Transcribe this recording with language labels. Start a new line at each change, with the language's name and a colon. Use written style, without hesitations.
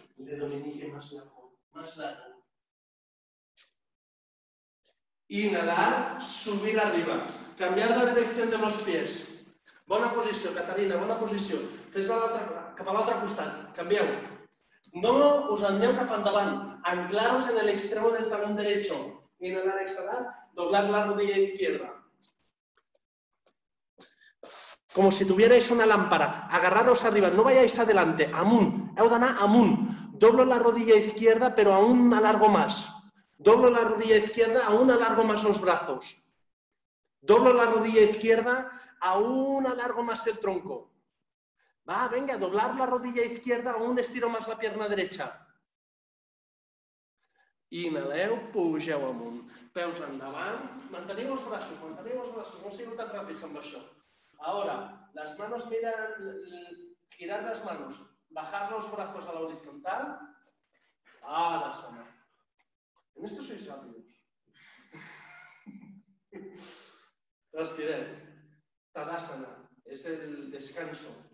Spanish: El dedo meñique más largo. Más largo. Inhalar, subir arriba. Cambiar la dirección de los pies.
Catalan: Bona posició, Caterina, bona posició. Fes-la cap a l'altre costat. Canvieu. No us aneu cap endavant.
Spanish: Anclaros en el extrem del talón derecho. Inhalar, exhalar, doblar la rodilla izquierda. Como si tuvierais una lámpara, agarraros arriba, no vayáis adelante,
Catalan: amunt, heu d'anar amunt.
Spanish: Doblo la rodilla izquierda, pero aún alargo más. Doblo la rodilla izquierda, aún alargo más los brazos. Doblo la rodilla izquierda, aún alargo más el tronco. Va, venga, doblar la rodilla izquierda, aún estiro más la pierna derecha.
Catalan: Inhaleu, pugeu amunt. Peus endavant, manteniu els braços, no sigueu tan ràpids amb això.
Spanish: Ahora, las manos miran, girar las manos, bajar los brazos a la horizontal. Ahora, Sana. En esto sois rápidos. Respiré. Tadasana, es el descanso.